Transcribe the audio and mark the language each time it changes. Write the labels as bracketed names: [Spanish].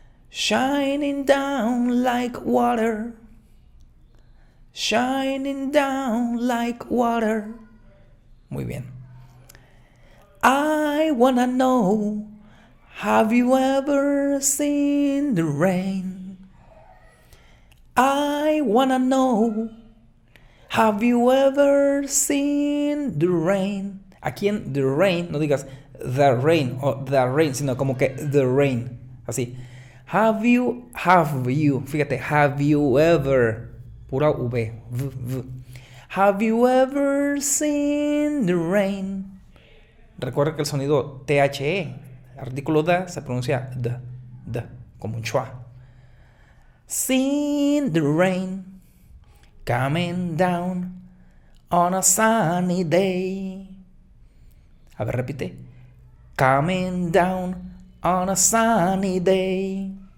[English] Shining down like water. Shining down like water. [Spanish] Muy bien. [English] I wanna know, have you ever seen the rain? I wanna know, have you ever seen the rain? [Spanish] Aquí en [English] the rain, [Spanish] no digas the rain o the rain, sino como que the rain, así. [English] Have you, [Spanish] fíjate, [English] have you ever, pura V, v, v. Have you ever seen the rain? [Spanish] Recuerda que el sonido THE, artículo da, se pronuncia D, como un schwa. [English] Seen the rain coming down on a sunny day. [Spanish] A ver, repite. [English] Coming down on a sunny day.